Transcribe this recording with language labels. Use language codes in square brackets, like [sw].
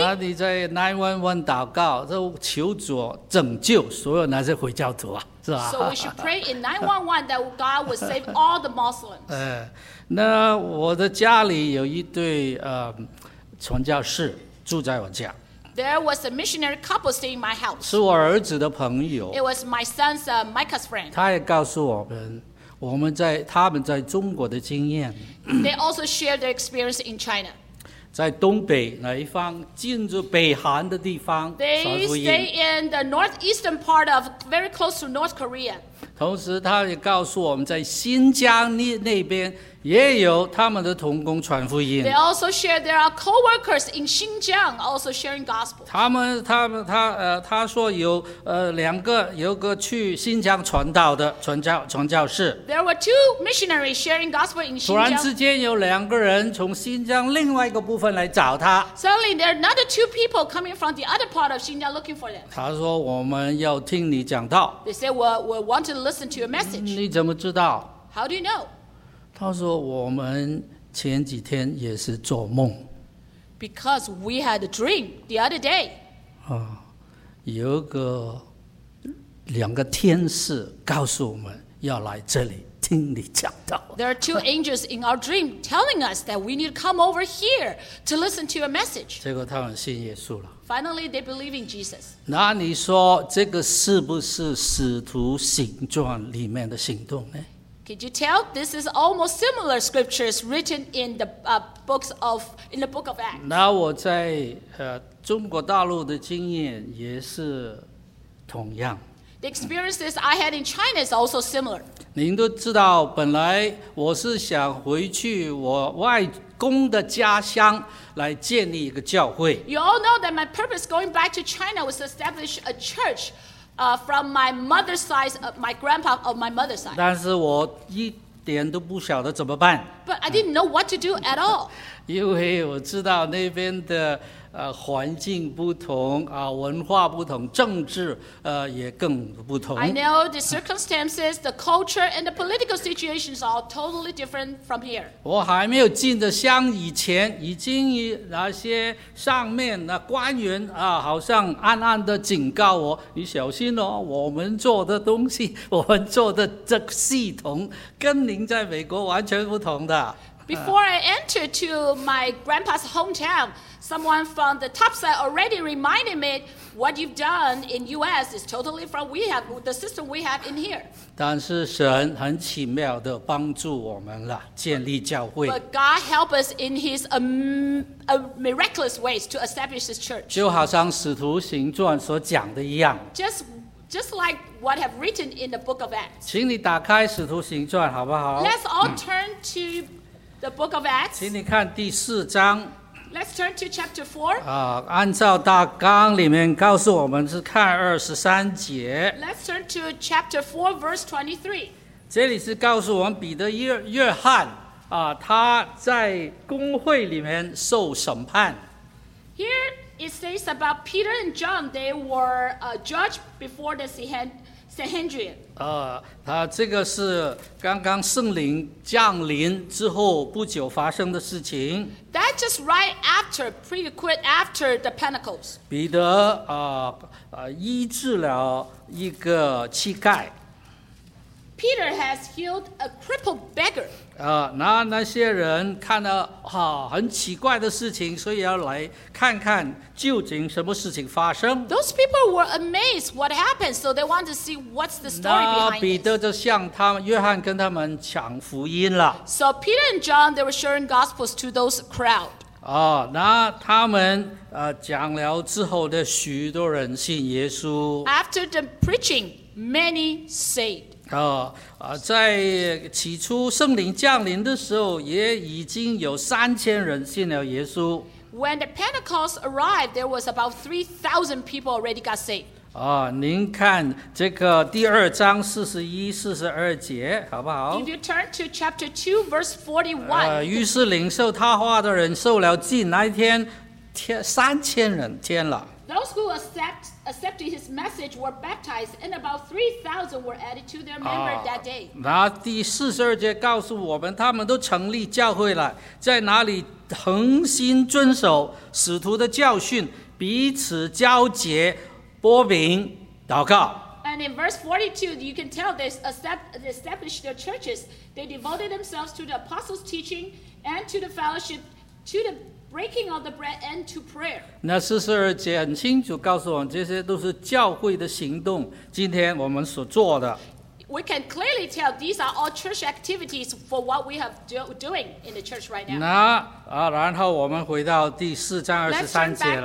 [zh] 那你在911祷告，就求主拯救所有那些回教徒啊，是吧？ [en] So we should pray in 911 that God will save all the Muslims. [zh] 那我的家里有一对传教士住在我家。 [en] There was a missionary couple staying in my house. [zh] 是我儿子的朋友。 [en] It was my son's Micah's friend. [zh] 他也告诉我们。他们在中国的经验。 [en] They also share their experience in China. [zh] 在东北那一方，进入北韩的地方。 [en] They stay in the northeastern part of very close to North Korea. [zh] 同时，他也告诉我们，在新疆那边也有他们的同工传福音。 [en] They also share there are co-workers in Xinjiang also sharing gospel. [zh] 他说有两个，有个去新疆传道的传教士。 [en] There were two missionaries sharing gospel in Xinjiang. [zh] 突然之间有两个人从新疆另外一个部分来找他。 [en] Suddenly there are another two people coming from the other part of Xinjiang looking for them. [zh] 他说我们要听你讲道。 [en] They said we want to listen to your message. [zh] 你怎么知道？ [en] How do you know? [zh] 他说我们前几天也是做梦。 [en] Because we had a dream the other day. [zh] 有个两个天使告诉我们要来这里听你讲道。 [en] There are two angels in our dream telling us that we need to come over here to listen to your message. [zh] 结果他们信耶稣了。 [en] Finally, they believe in Jesus. [zh] 那你说这个是不是使徒行传里面的行动呢？ [en] Could you tell? This is almost similar scriptures written in the book of Acts. [zh] 那我在中国大陆的经验也是同样。 [en] The experiences I had in China is also similar. [zh] 您都知道，本来我是想回去我外公的家乡来建立一个教会。 [en] You all know that my purpose going back to China was to establish a church. From my mother's side, my grandpa of my mother's side. [zh] 但是我一点都不晓得怎么办。 [en] But I didn't know what to do at all. [zh] 因为我知道那边的环境不同啊，文化不同，政治也更不同。 [en] I know the circumstances, the culture, and the political situations are totally different from here. [zh] 我还没有进的乡以前，已经那些上面的官员啊，好像暗暗的警告我，你小心哦，我们做的东西，我们做的这个系统，跟您在美国完全不同的。 [en] Before I entered to my grandpa's hometown, someone from the top side already reminded me what you've done in U.S. is totally from the system we have in here. [zh] 但是神很奇妙地帮助我们了，建立教会。 [en] But God helped us in his miraculous ways to establish this church. [zh] 就好像《使徒行传》所讲的一样。 [en] Just like what have written in the book of Acts. [zh] 请你打开《使徒行传》好不好？ [en] Let's all turn to... The book of Acts. [zh] 请你看第四章。 [en] Let's turn to chapter 4. [zh] 按照大纲里面告诉我们是看二十三节。 [en] Let's turn to chapter 4, verse 23. [zh] 这里是告诉我们彼得约翰他在公会里面受审判。 [en] Here it says about Peter and John, they were judged before the Sanhedrin. [zh] 这个是刚刚圣灵降临之后不久发生的事情。 [en] That just right after, pretty quick after the Pentecost. [zh] 彼得医治了一个乞丐。 [en] Peter has healed a crippled beggar. [zh] 那些人看到很奇怪的事情，所以要来看看究竟什么事情发生。 [en] Those people were amazed what happened, so they wanted to see what's the story behind it. [zh] 那彼得就向他们，约翰跟他们讲福音了。 [en] So Peter and John, they were sharing gospels to those crowd. [zh] 那他们讲了之后的许多人信耶稣。 [en] After the preaching, many saved. [zh] 在起初圣灵降临的时候，也已经有3000人信了耶稣。 [en] When the Pentecost arrived, there was about 3,000 people already got saved. [zh] 您看这个第二章41-42节，好不好？ [en] If you turn to chapter 2, verse 41. [zh] 于是领受他话的人受了浸，那一天 3,000人添了。 [en] Those who accepted his message were baptized, and about 3,000 were added to their member that day. [zh] 那第42节告诉我们，他们都成立教会了，在哪里恒心遵守使徒的教训，彼此交接、播饼、祷告。 [en] And in verse 42, you can tell they established their churches. They devoted themselves to the apostles' teaching and to the fellowship, to the breaking of the bread and to prayer. [zh] 那42节很清楚告诉我们，这些都是教会的行动，今天我们所做的。 [en] We can clearly tell these are all church activities for what we have doing in the church right now. [zh] 然后我们回到第4章23节了。